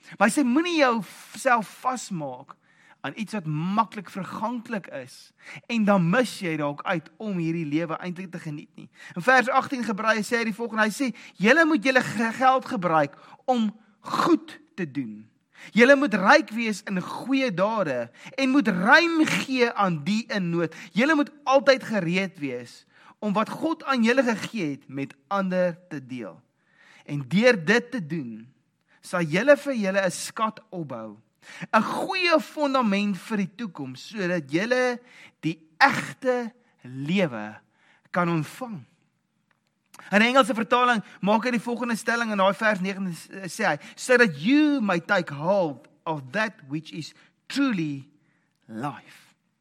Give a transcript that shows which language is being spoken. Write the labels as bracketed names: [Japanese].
[Afrikaans] Maar hy sê, moenie jou self vasmaak aan iets wat maklik verganklik is, en dan mis jy dalk uit om hierdie lewe eintlik te geniet nie. In vers 18 gebruik hy, sê hy die volgende, hy sê, julle moet julle geld gebruik om goed te doen. Julle moet ryk wees in goeie dade en moet ruim gee aan die in nood. Julle moet altyd gereed wees om wat God aan julle gegee het met ander te deel. En deur dit te doen, sal julle vir julle 'n skat opbou. 'N goeie fondament vir die toekoms, sodat julle die egte lewe kan ontvang. In Engelse vertaling maak hy die volgende stelling in daai vers 9 sê hy, [English] so that you might take hold of that which is truly life.